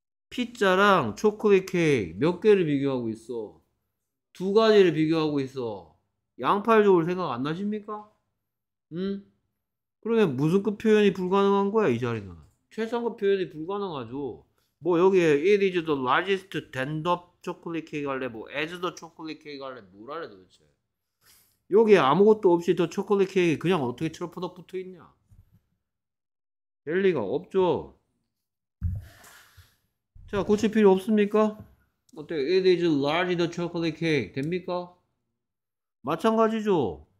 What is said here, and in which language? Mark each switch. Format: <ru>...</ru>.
<ko>피자랑 초콜릿 케이크 몇 개를 비교하고 있어? 두 가지를 비교하고 있어. 양팔족을 생각 안 나십니까? 응? 그러면 무슨 급 표현이 불가능한 거야, 이 자리는? 최상급 표현이 불가능하죠. 뭐 여기에</ko> <en>It is the largest than the chocolate cake</en> <ko>할래? 뭐</ko> <en>as the chocolate cake</en> <ko>할래? 뭐라 그래 도대체? 여기 아무것도 없이 더 초콜릿 케이크 그냥 어떻게 철퍼덕 붙어 있냐? 될 리가 없죠. 자, 고칠 필요 없습니까? 어때요?</ko> <en>It is large the chocolate cake.</en> <ko>됩니까? 마찬가지죠.</ko>